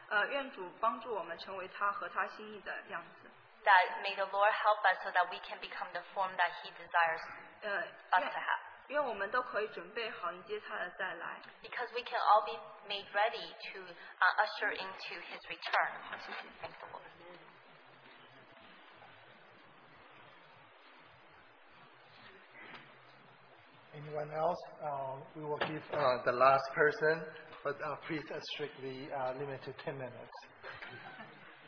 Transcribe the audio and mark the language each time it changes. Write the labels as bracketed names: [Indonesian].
[Chinese] 愿主帮助我们成为他和他心意的样子。 [English] That may the Lord help us so that we can become the form that he desires us to have. [Chinese] 愿我们都可以准备好迎接他的再来。 [English] Because we can all be made ready to usher into his return. [Chinese] 好，谢谢。 [English] Thank the Lord. [Chinese] 我们给最后一个人，但是priest是 [English] strictly limited 10 minutes。